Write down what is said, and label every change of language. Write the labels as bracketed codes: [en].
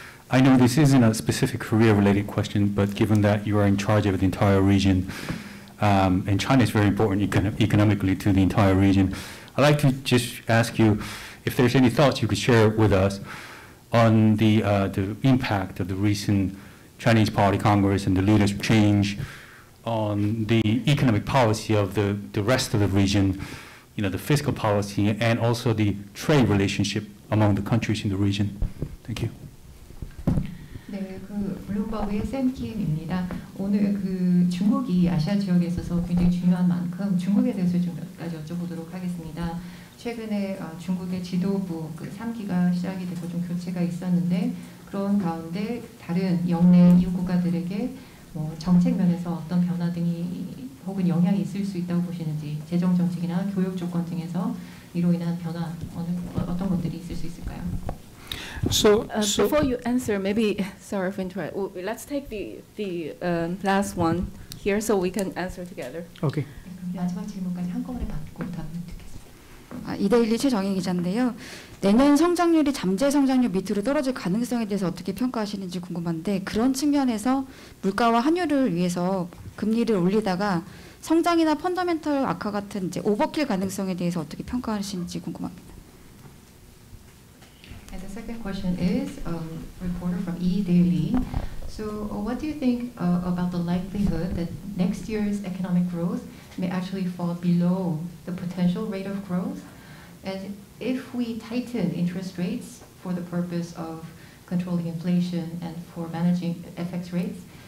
[en] I know this isn't a specific Korea-related question, but given that you are in charge of the entire region, and China is very important economically to the entire region, I'd like to just ask you if there's any thoughts you could share with us on the impact of the recent Chinese Party Congress and the leadership change on the economic policy of the rest of the region, you know, the fiscal policy, and also the trade relationship among the countries in the region. Thank you. [ko] 블룸버그의 샘 김입니다. 오늘 그 중국이 아시아 지역에 있어서 굉장히 중요한 만큼 중국에 대해서 좀 몇 가지 여쭤보도록 하겠습니다. 최근에 중국의 지도부 그 3기가 시작이 되고 좀 교체가 있었는데 그런 가운데 다른 영내 이웃 국가들에게 뭐 정책 면에서 어떤 변화 등이 혹은 영향이 있을 수 있다고 보시는지 재정 정책이나 교육 조건 등에서 이로 인한 변화 어떤 것들이 있을 수 있을까요? [en] So before you answer, maybe sorry for interrupting. Let's take the last one here, so we can answer together. Okay. [ko] 마지막 질문까지 한꺼번에 받고 답을 듣겠습니다. 이데일리 최정희 기자인데요. 내년 성장률이 잠재 성장률 밑으로 떨어질 가능성에 대해서 어떻게 평가하시는지 궁금한데 그런 측면에서 물가와 환율을 위해서 금리를 올리다가 성장이나 펀더멘털 악화 같은 이제 오버킬 가능성에 대해서 어떻게 평가하시는지 궁금합니다. [en] And the second question is reporter from E Daily. So what do you think about the likelihood that next year's economic growth may actually fall below the potential rate of growth? And if we tighten interest rates for the purpose of controlling inflation and for managing FX rates,